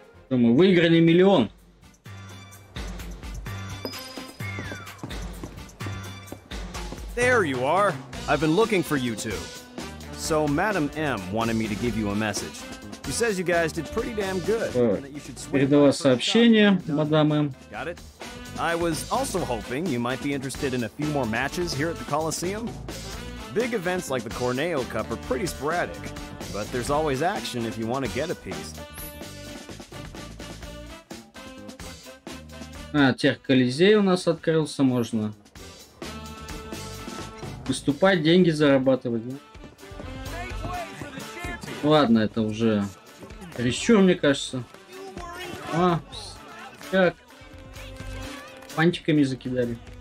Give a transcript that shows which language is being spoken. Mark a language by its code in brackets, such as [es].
[ru] Мы выиграли миллион. [en] There you are. I've been looking for you two. So Madam M wanted me to give you a message. She says you guys did pretty damn good. [ru] Передала сообщение мадам М. [en] Got it. I was also hoping you might be interested in a few more matches here at the Coliseum. Big events like the Corneo Cup are pretty sporadic, but there's always action if you want to get a piece. [ru] А, тех Колизей у нас открылся, можно выступать, деньги зарабатывать, да? Ладно, это уже прищур, мне кажется. А, как? Пантиками закидали.